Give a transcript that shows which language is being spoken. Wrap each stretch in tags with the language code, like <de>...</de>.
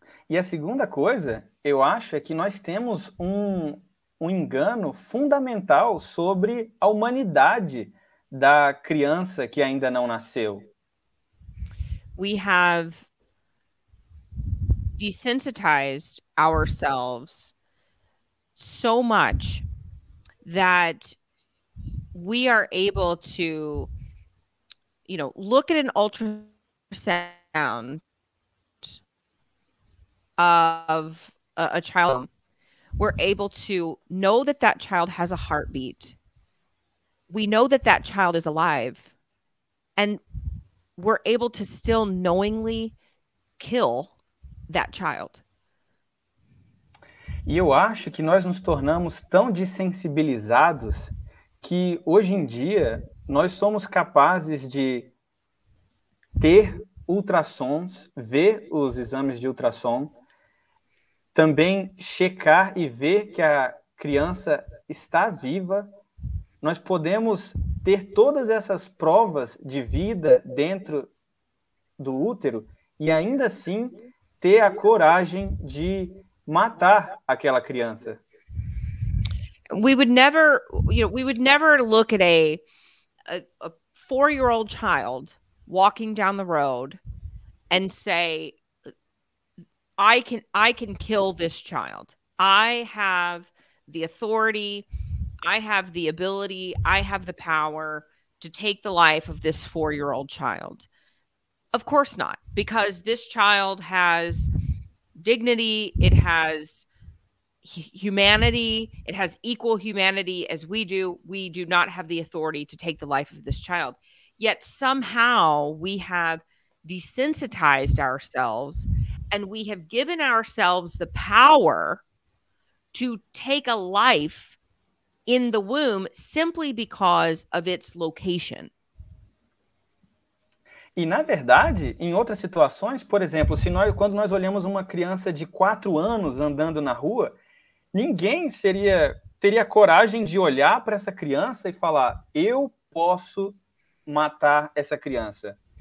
<pt>E a segunda coisa, eu acho, é que nós temos um engano fundamental sobre a humanidade da criança que ainda não nasceu.</pt> <en>We have desensitized ourselves so much that we are able to, you know, look at an ultrasound of a child. We're able to know that that child has a heartbeat. We know that that child is alive, and we're able to still knowingly kill that child.</en> <pt>E eu acho que nós nos tornamos tão desensibilizados que hoje em dia nós somos capazes de ter ultrassons, ver os exames de ultrassom, também checar e ver que a criança está viva. Nós podemos ter todas essas provas de vida dentro do útero e ainda assim ter a coragem de matar aquela criança.</pt> <en>We would never look at a 4-year-old child walking down the road and say, I can kill this child. I have the authority, I have the ability, I have the power to take the life of this 4-year-old child. Of course not, because this child has dignity, it has humanity, it has equal humanity as we do. We do not have the authority to take the life of this child. Yet somehow we have desensitized ourselves and we have given ourselves the power to take a life in the womb simply because of its location.</en> <pt>E, na verdade, em outras situações, por exemplo, quando nós olhamos uma criança de 4 anos andando na rua, ninguém teria coragem de olhar para essa criança e falar, eu posso matar essa criança.</pt>